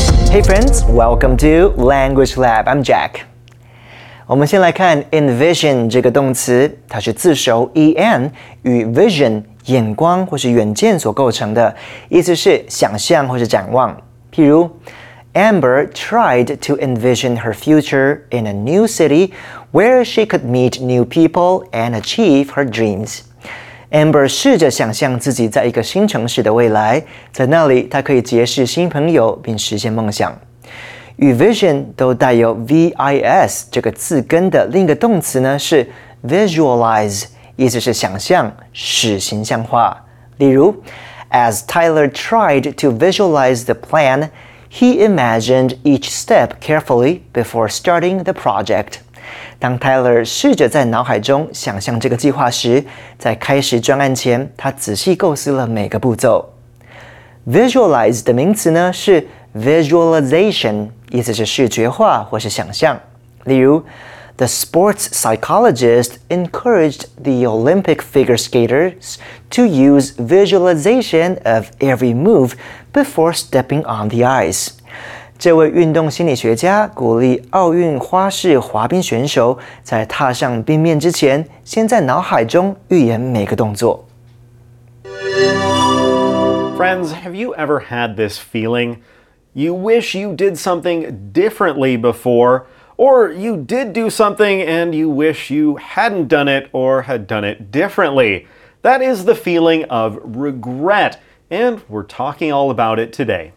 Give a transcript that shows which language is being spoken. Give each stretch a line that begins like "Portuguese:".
English: Hey friends, welcome to Language Lab. I'm Jack.
Chinese: 我们先来看 envision 这个动词，它是自首 en 与 vision 眼光或是远见所构成的，意思是想象或是展望。譬如
English: ，Amber tried to envision her future in a new city where she could meet new people and achieve her dreams.
Chinese: Amber 试着想象自己在一个新城市的未来，在那里她可以结识新朋友并实现梦想。与 vision 都带有 vis 这个字根的另一个动词呢是 visualize， 意思是想象，使形象化。例如
English: ，As Tyler tried to visualize the plan, he imagined each step carefully before starting the project.
Chinese: 当 Tyler 试着在脑海中想象这个计划时，在开始专案前，他仔细构思了每个步骤。 Visualize 的名词呢是 visualization， 意思是视觉化或是想象。例如
English: ，The sports psychologist encouraged the Olympic figure skaters to use visualization of every move before stepping on the ice.
Chinese: 这位运动心理学家鼓励奥运花式滑冰选手在踏上冰面之前，先在脑海中预演每个动作。
English: Friends, have you ever had this feeling? You wish you did something differently before, or you did do something and you wish you hadn't done it or had done it differently. That is the feeling of regret. And we're talking all about it today.